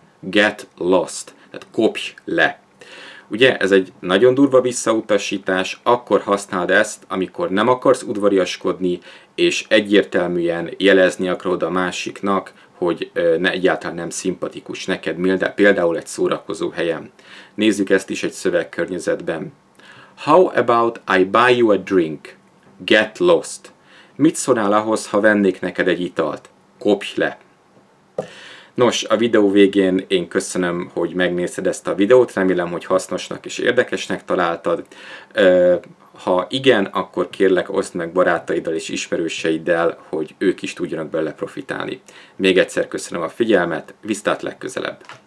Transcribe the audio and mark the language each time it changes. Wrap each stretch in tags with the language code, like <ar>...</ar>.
<en>Get lost.</en> <hu>Tehát kopj le. Ugye, ez egy nagyon durva visszautasítás, akkor használd ezt, amikor nem akarsz udvariaskodni, és egyértelműen jelezni akarod a másiknak, hogy egyáltalán nem szimpatikus neked, például egy szórakozó helyen. Nézzük ezt is egy szövegkörnyezetben.</hu> <en>How about I buy you a drink? Get lost.</en> <hu>Mit szólnál ahhoz, ha vennék neked egy italt? Kopj le! Nos, a videó végén én köszönöm, hogy megnézted ezt a videót, remélem, hogy hasznosnak és érdekesnek találtad. Ha igen, akkor kérlek, oszd meg barátaiddal és ismerőseiddel, hogy ők is tudjanak belőle profitálni. Még egyszer köszönöm a figyelmet, viszlát legközelebb!</hu>